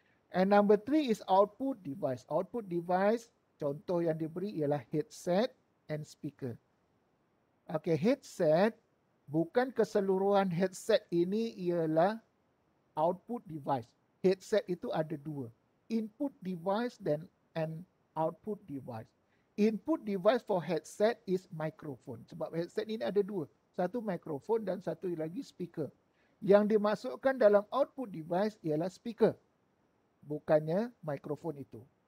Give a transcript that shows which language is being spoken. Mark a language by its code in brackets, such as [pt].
[en] And number three is output device. [ms] Output device, contoh yang diberi ialah headset and speaker. Okay, headset, bukan keseluruhan headset ini ialah output device. Headset itu ada dua. Input device dan and output device. [en] Input device for headset is microphone. [ms] Sebab headset ini ada dua. Satu microphone dan satu lagi speaker. Yang dimasukkan dalam output device ialah speaker. Bukannya microphone itu.